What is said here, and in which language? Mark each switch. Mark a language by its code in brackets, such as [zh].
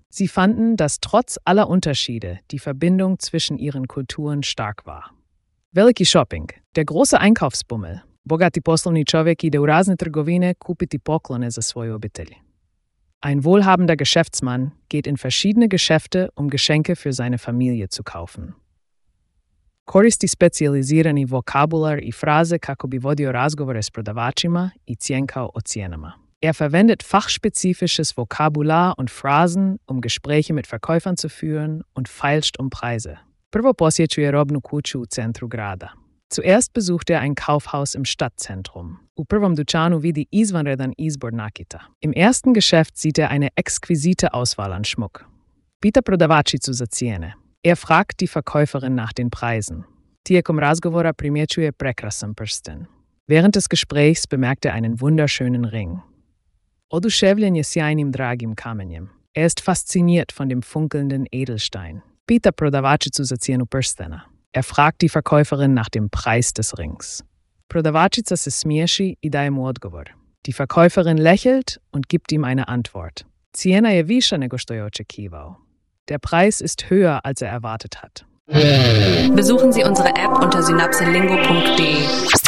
[de] Sie fanden, dass trotz aller Unterschiede die Verbindung zwischen ihren Kulturen stark war. [hr] Veliki shopping, [de] der große Einkaufsbummel. [hr] Bogati poslovni čovjek ide u razne trgovine kupiti poklone za svoju obitelj. [de] Ein wohlhabender Geschäftsmann geht in verschiedene Geschäfte, um Geschenke für seine Familie zu kaufen. [hr] Koristi specijalizirani vokabular i fraze kako bi vodio razgovore s prodavačima i cjenkao o cijenama. [de] Er verwendet fachspezifisches Vokabular und Phrasen, um Gespräche mit Verkäufern zu führen und feilscht um Preise. [hr] Prvo posjećuje robnu kuću u centru grada. [de] Zuerst besucht er ein Kaufhaus im Stadtzentrum. [hr] U prvom dućanu vidi izvanredan izbor nakita. [de] Im ersten Geschäft sieht er eine exquisite Auswahl an Schmuck. [hr] Pita prodavačicu za cijene. [de] Er fragt die Verkäuferin nach den Preisen. [hr] Tijekom razgovora primjećuje prekrasan prsten. [de] Während des Gesprächs bemerkt er einen wunderschönen Ring. [hr] Oduševljen je sjajnim dragim kamenjem. [de] Er ist fasziniert von dem funkelnden Edelstein. [hr] Pita prodavačicu za cijenu prstena. [de] Er fragt die Verkäuferin nach dem Preis des Rings. [hr] Prodavačica se smiješi i daje mu odgovor. [de] Die Verkäuferin lächelt und gibt ihm eine Antwort. [hr] Cijena je viša nego što je očekivao. [de] Der Preis ist höher, als er erwartet hat. Besuchen Sie unsere App unter synapselingo.de.